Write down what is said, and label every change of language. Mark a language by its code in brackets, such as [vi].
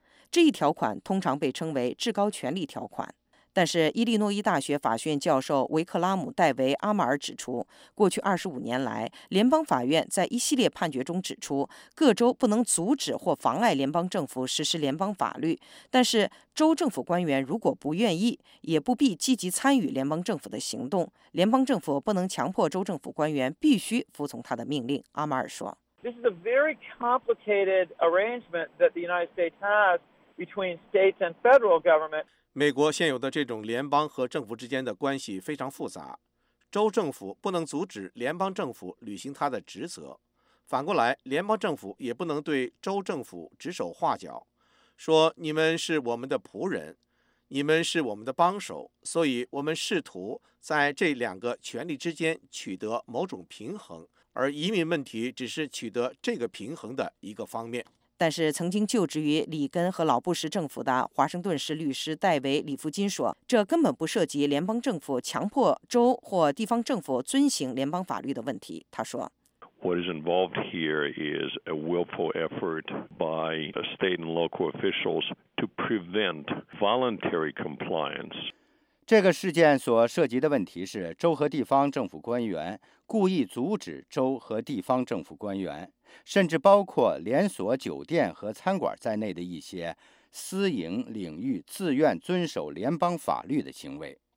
[zh] 这一条款通常被称为至高权力条款。但是伊利诺伊大学法学院教授维克拉姆·戴维·阿马尔指出，过去25年来，联邦法院在一系列判决中指出，各州不能阻止或妨碍联邦政府实施联邦法律，但是州政府官员如果不愿意，也不必积极参与联邦政府的行动。联邦政府不能强迫州政府官员必须服从他的命令，阿马尔说。 [en] This is a very complicated arrangement that the United States has between states and federal government. [zh] 美国现有的这种联邦和政府之间的关系非常复杂，州政府不能阻止联邦政府履行他的职责，反过来，联邦政府也不能对州政府指手画脚，说你们是我们的仆人，你们是我们的帮手，所以我们试图在这两个权力之间取得某种平衡，而移民问题只是取得这个平衡的一个方面。但是曾经就职于里根和老布什政府的华盛顿市律师戴维·里夫金说，这根本不涉及联邦政府强迫州或地方政府遵行联邦法律的问题。他说 [en] What is involved here is a willful effort by state and local officials to prevent voluntary compliance. [zh] 这个事件所涉及的问题是州和地方政府官员故意阻止州和地方政府官员，甚至包括连锁酒店和餐馆在内的一些私营领域自愿遵守联邦法律的行为。